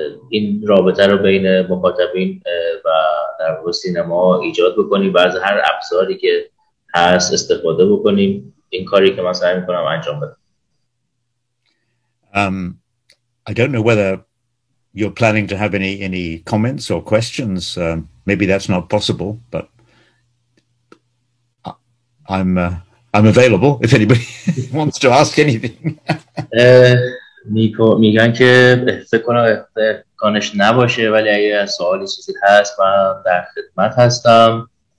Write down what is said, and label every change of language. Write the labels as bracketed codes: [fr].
[fa] این رابطه رو بین مخاطبین و در واقع سینما ایجاد بکنیم و از هر ابزاری که هست استفاده بکنیم این کاری که من سعی می‌کنم انجام بدم. [en] I don't know whether you're planning to have any comments or questions. Maybe that's not possible, but I'm available if anybody wants to ask anything. [fa] میگن که فکر کنم کانش نباشه ولی اگه سوالی چیزی هست من در خدمت هستم.